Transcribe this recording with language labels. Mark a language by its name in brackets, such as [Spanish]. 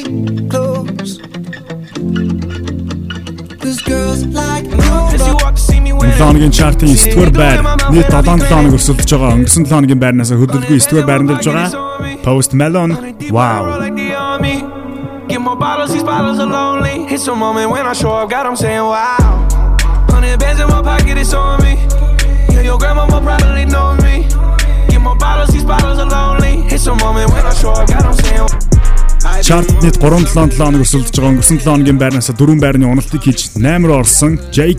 [Mongolian] Өнгөрсөн чартын 9-р байр нийт 7 оног өсөлдөж байгаа. Өнгөрсөн 7 оногийн байрнаас хөдөлгүй 9-р байранд л байгаа. [English] Post Malone, wow. Get my bottles, these bottles are lonely. It's a moment when I show up, God, I'm saying wow. 100 bands in my pocket, it's on me. Yeah, your grandma will probably know me. Get my bottles, these bottles are lonely. It's a moment when I show up, God, I'm saying wow. [Mongolian] Чарт нийт 377 оног өрсөлдөж байгаа. Өнгөрсөн 7 оны байрнаас 4 байрны уналтыг хийж 8-р орсон J.